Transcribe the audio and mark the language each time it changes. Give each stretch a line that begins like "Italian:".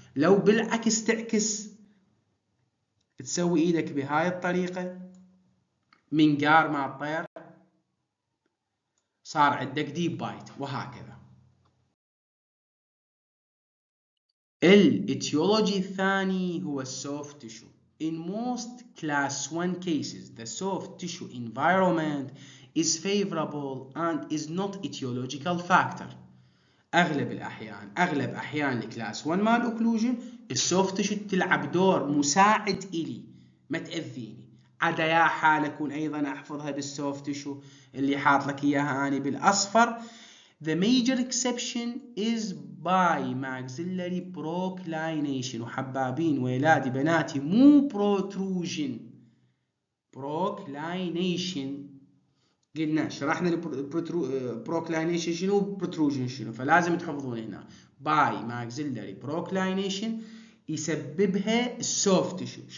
Arabic: لو بالعكس تعكس تسوي ايدك بهاي الطريقة من قار ما طير صار عندك deep bite، وهكذا. الاتيولوجي الثاني هو soft tissue.
English: In most class 1 cases, the soft tissue environment is favorable and is not etiological factor.
Arabic: أغلب الأحيان، أغلب أحيان class 1 مال occlusion، soft tissue تلعب دور مساعد إلي، ما تأذيني. عدا يا حال أكون أيضاً أحفظها بالsoft tissue اللي حاط لك إياها أنا بالأصفر.
English: The major exception is by maxillary proclination.
Arabic: وحبابين ويلادي بناتي، مو protrusion، proclination. قلنا شرحنا proclination شنو، protrusion شنو، فلازم تحفظون هنا
English: by maxillary proclination
Arabic: يسببها soft tissue.